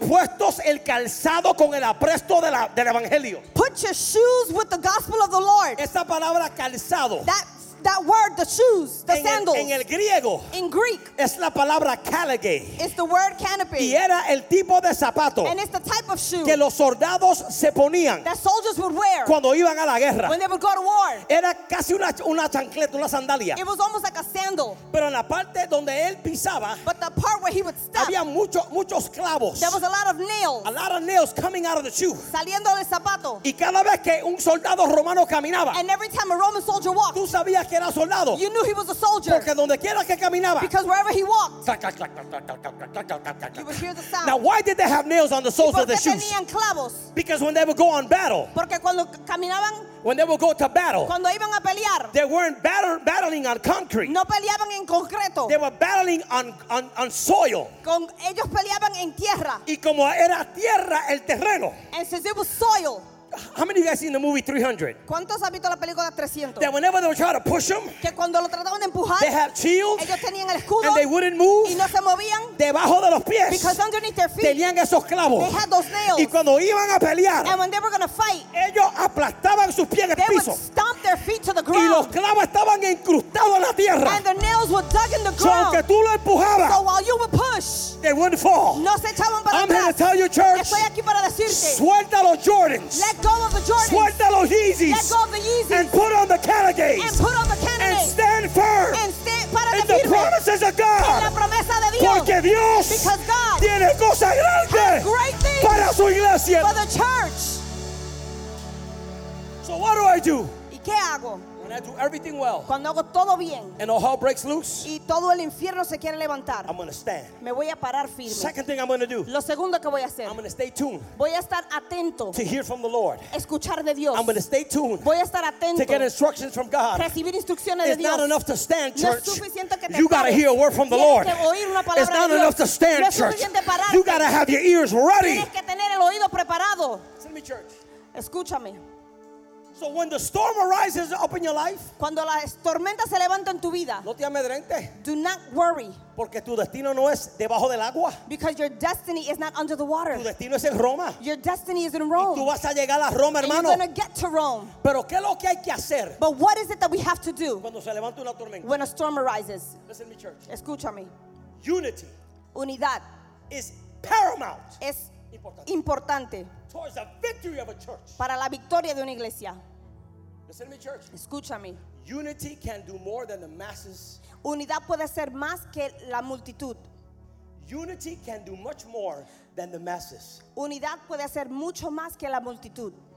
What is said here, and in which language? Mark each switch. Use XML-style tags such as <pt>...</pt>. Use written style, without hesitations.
<es>Puestos el calzado con el apresto del evangelio.</es> <en>Put your shoes with the gospel of the Lord.</en> <es>Esa palabra calzado.</es> <en>That word, the shoes, the sandals.</en> <es>En el griego.</es> <en>In Greek.</en> <es>Es la palabra kalage.</es> <en>It's the word canopy.</en> <es>Y era el tipo de zapato.</es> <en>And it's the type of shoe.</en> <es>Que los soldados se ponían.</es> <en>That soldiers would wear.</en> <es>Cuando iban a la guerra.</es> <en>When they would go to war.</en> <es>Era casi una chancleta, una sandalia.</es> <en>It was almost like a sandal.</en> <es>Pero en la parte donde él pisaba.</es> <en>But the part where he would step.</en> <es>Había muchos clavos.</es> <en>There was a lot of nails. A lot of nails coming out of the shoe.</en> <es>Saliendo del zapato. Y cada vez que un soldado romano caminaba.</es> <en>And every time a Roman soldier walked.</en> <es>Tú sabías que era soldado.</es> <en>You knew he was a soldier.</en> <es>Porque donde quiera que caminaba.</es> <en>Because wherever he walked. Clac, clac, clac, clac, clac, clac, clac, clac, you would hear the sound. Now why did they have nails on the soles of the shoes?</en> <es>Tenían clavos.</es> <en>Because when they would go on battle.</en> <es>Porque cuando caminaban.</es> <en>When they would go to battle.</en> <es>Cuando iban a pelear.</es> <en>They weren't battling on concrete.</en> <es>No peleaban en concreto.</es> <en>They were battling on soil.</en> <es>Con ellos peleaban en tierra. Y como era tierra el terreno.</es> <en>And since it was soil. How many of you guys seen the movie 300?</en> <es>¿Cuántos han visto la película 300?</es> <en>That whenever they were trying to push them,</en> <es>que cuando lo trataban de empujar,</es> <en>they had shields,</en> <es>ellos tenían el escudo,</es> <en>and they wouldn't move,</en> <es>y no se movían, debajo de los pies,</es> <en>because underneath their feet,</en> <es>tenían esos clavos,</es> <en>they had those nails,</en> <es>y cuando iban a pelear,</es> <en>and when they were going to fight,</en> <es>ellos aplastaban sus pies en el piso,</es> <en>they would stomp their feet to the ground,</en> <es>y los clavos estaban incrustados en la tierra,</es> <en>and the nails were dug in the ground,</en> <es>so aunque tú lo empujabas,</es> <en>so while you would push, they wouldn't fall,</en> <es>no se echaban para</es> <en>I'm</en> <es>atrás.</es> <en>I'm here to tell you, church,</en> <es>estoy aquí para decirte, suelta los Jordans.</es> <en>Let go of the Jordans.</en> <es>Suelta los Yeezys.</es> <en>Let go of the Yeezys. And put on the Kalagays. And put on the Kalagays. And stand firm. And stand para in the promises of God.</en> <es>En la promesa de Dios. Porque Dios.</es> <en>Because God.</en> <es>Tiene cosas grandes.</es> <en>Has great things.</en> <es>Para su iglesia.</es> <en>For the church. So what do I do?</en> <es>¿Y qué hago?</es> <en>When I do everything well.</en> <es>Cuando hago todo bien.</es> <en>And all hell breaks loose.</en> <es>Y todo el infierno se quiere levantar.</es> <en>I'm going to stand.</en> <es>Me voy a parar firme.</es> <en>Second thing I'm going to do.</en> <es>Lo segundo que voy a hacer.</es> <en>I'm going to stay tuned.</en> <es>Voy a estar atento.</es> <en>To hear from the Lord.</en> <es>Escuchar de Dios.</es> <en>I'm going to stay tuned.</en> <es>Voy a estar atento.</es> <en>To get instructions from God.</en> <es>Recibir instrucciones</es> <en>it's</en> <es>de Dios.</es> <en>It's not enough to stand, church.</en> <es>No es suficiente que te</es> <en>you got to hear a word from the Lord.</en> <es>Tienes que oír una palabra</es> <en>it's not</en> <es>de Dios.</es> <en>Enough to stand,</en> <es>no es suficiente</es> <en>church.</en> <es>Pararte.</es> <en>You got to have your ears ready.</en> <es>Tienes que tener el oído preparado.</es> <en>Send me, church.</en> <es>Escúchame.</es> <en>So when the storm arises up in your life,</en> <es>cuando la tormenta se levanta en tu vida, no te amedrentes.</es> <en>Do not worry.</en> <es>Porque tu destino no es debajo del agua.</es> <en>Because your destiny is not under the water.</en> <es>Tu destino es en Roma.</es> <en>Your destiny is in Rome.</en> <es>Y tú vas a llegar a Roma, hermano.</es> <en>And you're going to get to Rome.</en> <es>Pero ¿qué es lo que hay que hacer?</es> <en>But what is it that we have to do?</en> <es>Cuando se levanta una tormenta.</es> <en>When a storm arises. Listen to me, church.</en> <es>Escúchame.</es> <en>Unity.</en> <es>Unidad.</es> <en>Is paramount.</en> <es>Es importante.</es> <en>Towards the victory of a church.</en> <es>Para la victoria de una iglesia.</es> <en>Listen to me, church.</en> <es>Escúchame.</es> <en>Unity can do more than the masses.</en> <es>Unidad puede ser más que la multitud.</es> <en>Unity can do much more than the masses.</en> <es>Unidad puede hacer mucho más que la multitud.</es>